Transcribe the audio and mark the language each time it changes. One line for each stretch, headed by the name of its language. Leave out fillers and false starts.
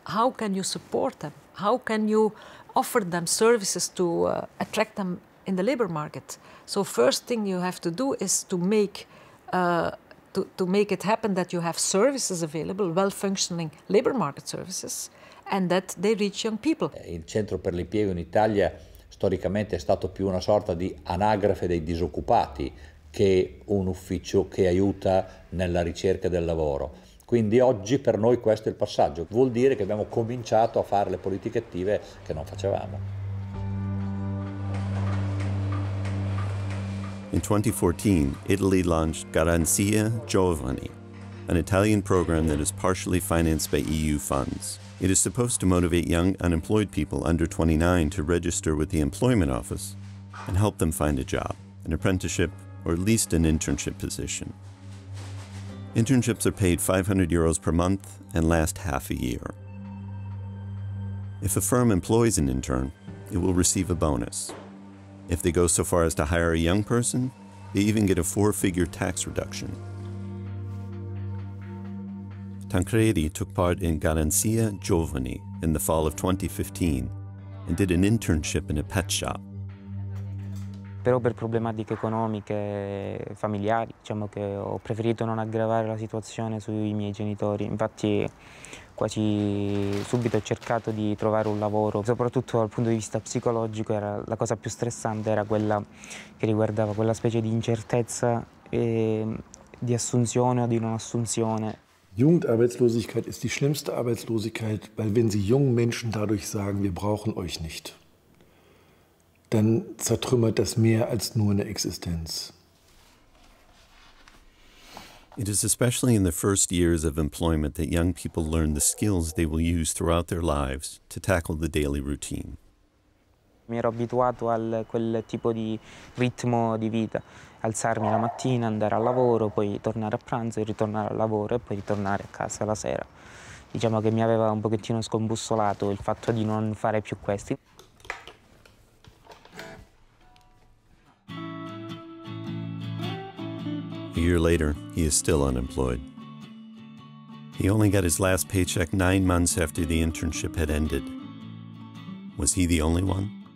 English: How can you support them? How can you offer them services to attract them in the labor market? So first thing you have to do is to make it happen that you have services available, well-functioning labor market services, and that they reach young people.
Italian: Il centro per l'impiego in Italia storicamente è stato più una sorta di anagrafe dei disoccupati che un ufficio che aiuta nella ricerca del lavoro. Quindi oggi per noi questo è il passaggio. Vuol dire che abbiamo cominciato a fare le politiche attive che non facevamo.
English: In 2014, Italy launched Garanzia Giovani, an Italian program that is partially financed by EU funds. It is supposed to motivate young unemployed people under 29 to register with the employment office and help them find a job, an apprenticeship, or at least an internship position. Internships are paid 500 euros per month and last half a year. If a firm employs an intern, it will receive a bonus. If they go so far as to hire a young person, they even get a four-figure tax reduction. Tancredi took part in Garanzia Giovani in the fall of 2015 and did an internship in a pet shop.
Italian: Però per problematiche economiche familiari, diciamo che ho preferito non aggravare la situazione sui miei genitori. Infatti quasi subito ho cercato di trovare un lavoro, soprattutto dal punto di vista psicologico era la cosa più stressante, era quella che riguardava quella specie di incertezza di assunzione o di non assunzione.
German: Jugendarbeitslosigkeit ist die schlimmste Arbeitslosigkeit, weil wenn sie jungen Menschen dadurch sagen, wir brauchen euch nicht, dann zertrümmert das mehr als nur eine Existenz.
English: It is especially in the first years of employment that young people learn the skills they will use throughout their lives to tackle the daily routine.
Italian: Mi ero abituato a quel tipo di ritmo di vita, alzarmi la mattina, andare al lavoro, poi tornare a pranzo, ritornare al lavoro e poi ritornare a casa la sera. Diciamo che mi aveva un pochettino scombussolato il fatto di non fare più questi.
English: A year later, he is still unemployed. He only got his last paycheck 9 months after the internship had ended. Was he the only one?